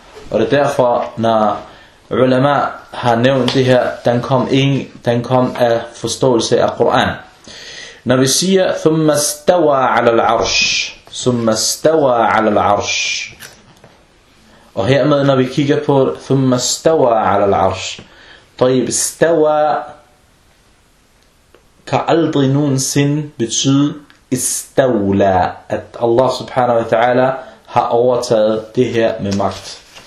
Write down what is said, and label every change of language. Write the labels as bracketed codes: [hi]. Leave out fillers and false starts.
[da] Og det er derfor, når ulema har nævnt det her, den kom af forståelse af Koran. Når vi siger, [ar] ثُمَّ اسْتَوَى عَلَى الْعَرْشِ. ثُمَّ اسْتَوَى عَلَى الْعَرْشِ. [da] Og hermed, når vi kigger på, [ar] ثُمَّ اسْتَوَى عَلَى الْعَرْشِ. طيب, [da] اسْتَوَى kan aldrig nogensinde betyde اسْتَوْلَى. At Allah subhanahu wa ta'ala har overtaget det her med magt.